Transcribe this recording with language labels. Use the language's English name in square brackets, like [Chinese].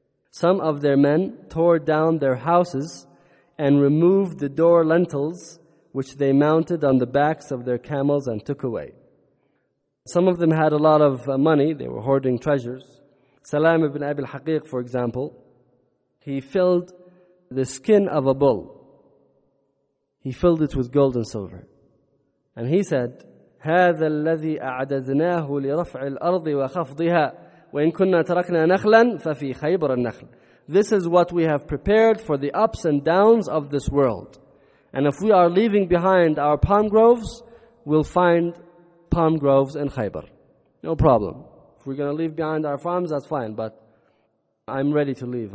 [English] Some of their men tore down their houses and removed the door lintels, which they mounted on the backs of their camels and took away. Some of them had a lot of money. They were hoarding treasures. Salam ibn Abi al-Haqiq, for example, he filled the skin of a bull. He filled it with gold and silver. And he said, [Arabic] هذا الذي أعددناه لرفع الأرض وخفضها وإن كنا تركنا نخلا ففي خيبر النخل. [English] This is what we have prepared for the ups and downs of this world. And if we are leaving behind our palm groves, we'll find palm groves in Khaybar. No problem. If we're going to leave behind our farms, that's fine. But I'm ready to leave.